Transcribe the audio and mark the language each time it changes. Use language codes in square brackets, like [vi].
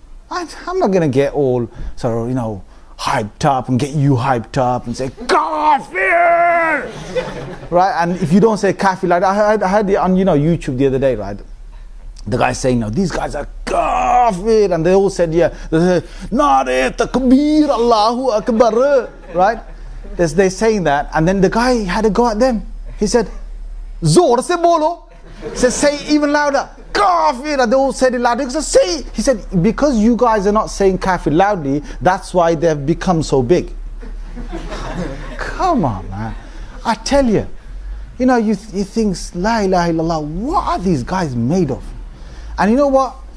[en] I'm not going to get all sort of, you know, hyped up and get you hyped up and say, "Kafir!" Right? And if you don't say kafir, like, I had it on, you know, YouTube the other day, right? The guy saying, "No, these guys are kafir." And they all said, yeah, they said, "Not it, takbir, Allahu Akbar." Right? They're saying that. And then the guy had to go at them. [hi] He said, "ज़ोर से बोलो." [en] He said, "Say it even louder. Kafir." And they all said it loudly. He said, "Because you guys are not saying kafir loudly, that's why they've become so big." Come on, man. I tell you, you know, you think, [ar] la ilaha illallah, [en] what are these guys made of? And you know what?